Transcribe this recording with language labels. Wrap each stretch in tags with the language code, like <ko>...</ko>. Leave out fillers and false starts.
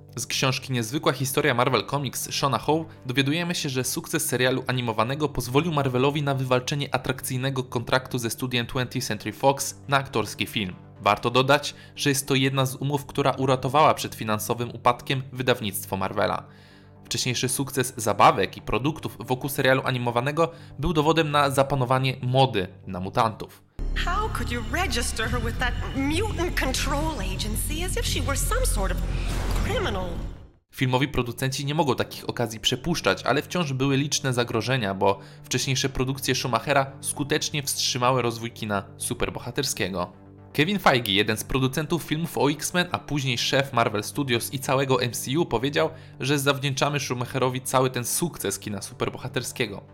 <pl>Z książki Niezwykła historia Marvel Comics Shona Howe dowiadujemy się, że sukces serialu animowanego pozwolił Marvelowi na wywalczenie atrakcyjnego kontraktu ze studiem 20th Century Fox na aktorski film. Warto dodać, że jest to jedna z umów, która uratowała przed finansowym upadkiem wydawnictwo Marvela. Wcześniejszy sukces zabawek i produktów wokół serialu animowanego był dowodem na zapanowanie mody na mutantów.</pl> <en>How could you register her with that mutant control agency as if she were some sort of criminal?</en> <pl>Filmowi producenci nie mogą takich okazji przepuszczać, ale wciąż były liczne zagrożenia, bo wcześniejsze produkcje Schumachera skutecznie wstrzymały rozwój kina superbohaterskiego. Kevin Feige, jeden z producentów filmów o X-Men, a później szef Marvel Studios i całego MCU, powiedział, że zawdzięczamy Schumacherowi cały ten sukces kina superbohaterskiego.</pl>